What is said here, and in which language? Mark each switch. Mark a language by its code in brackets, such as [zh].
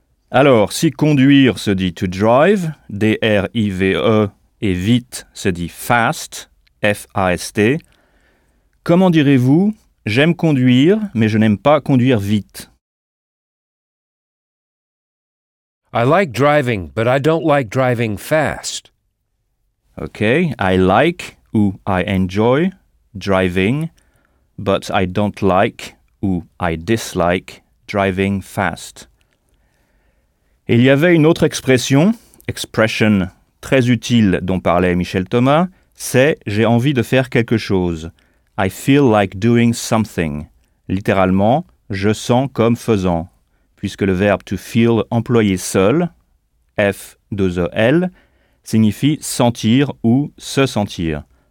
[fr] Alors, si conduire se dit to drive, D-R-I-V-E, et vite se dit fast, F-A-S-T, comment direz-vous « j'aime conduire, mais je n'aime pas conduire vite » [en] I like driving, but I don't like driving fast. Ok, I like ou I enjoy driving, but I don't like ou I dislike driving fast. [fr] Il y avait une autre expression, expression très utile dont parlait Michel Thomas, c'est « j'ai envie de faire quelque chose ». [en] I feel like doing something. [fr] Littéralement, je sens comme faisant, puisque le verbe [en] to feel [fr] employé seul, F-E-L, signifie sentir ou se sentir.